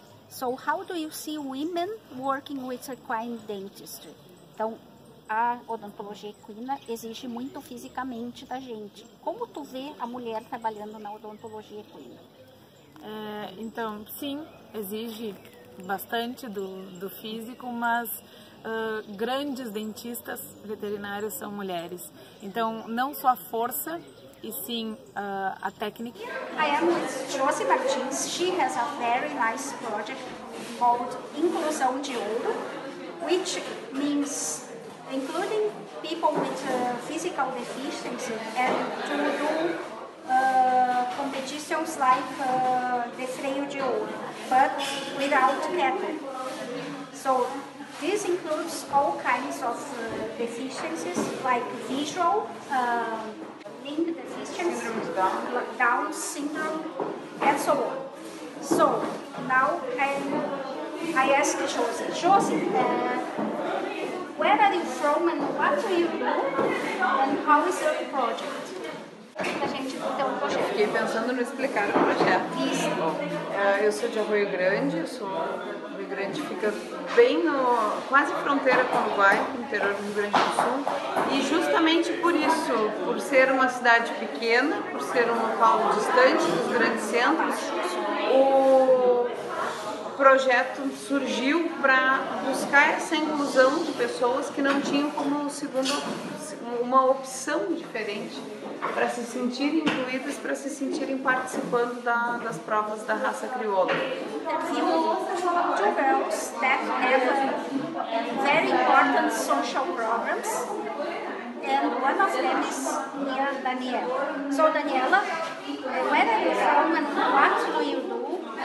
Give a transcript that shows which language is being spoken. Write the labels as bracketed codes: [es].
[en] So, how do you see women working with equine dentistry? [pt] Então, a odontologia equina exige muito fisicamente da gente. Como tu vê a mulher trabalhando na odontologia equina? Então, sim, exige bastante do físico, mas grandes dentistas veterinários são mulheres. Então, não só a força, e sim a técnica. [en] I am with Josi Martins. She has a very nice project called Inclusão de Ouro, which means including people with physical deficiencies and to do competitions like the Freio de Ouro, but without cattle. So this includes all kinds of deficiencies like visual, limb deficiencies, Down syndrome, and so on. So now I'm I ask Josie. Josie, where are you from and what do you do and how is your project? [pt] Fiquei pensando no explicar o projeto. Bom, eu sou de Arroio Grande, Rio Grande fica bem no, quase fronteira com o Uruguai, interior do Rio Grande do Sul. E justamente por isso, por ser uma cidade pequena, por ser um local distante dos grandes centros, o projeto surgiu para buscar essa inclusão de pessoas que não tinham como segundo uma opção diferente para se sentirem incluídas, para se sentirem participando das provas da raça crioula. [en] You two girls that have very important social programs, and one of them is near Daniela. So Daniela, where are you from and what do you do?